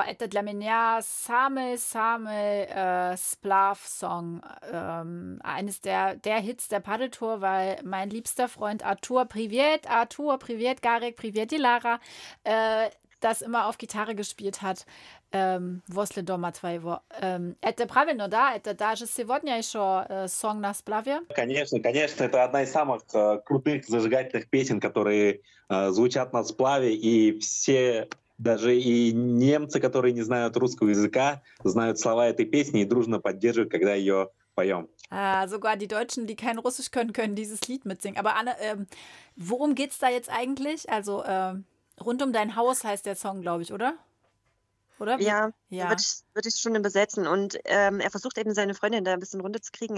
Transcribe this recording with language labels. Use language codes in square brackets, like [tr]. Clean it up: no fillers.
[ru] Это для меня самый-самый Splav-Song. [de] Eines der Hits der Paddeltour, weil mein liebster Freund Arthur, privet, Garek, privet, die Lara, das immer auf Gitarre gespielt hat. [ru] Возле дома твоего. Это правильно, да? Это даже сегодня еще Song на Splav'е? Конечно, конечно. Это одна из самых крутых зажигательных песен, которые звучат на Splav'е, и все, даже и немцы, которые не знают русского языка, знают слова этой песни и дружно поддерживают, когда ее поем. [de] Sogar die Deutschen, die kein Russisch können, können dieses Lied mitsingen. Aber Anne, worum geht's da jetzt eigentlich? Also rund um dein Haus heißt der Song, glaube ich, oder? Oder? Ja. Würde ich schon übersetzen. Und er versucht eben seine Freundin da ein bisschen runterzukriegen.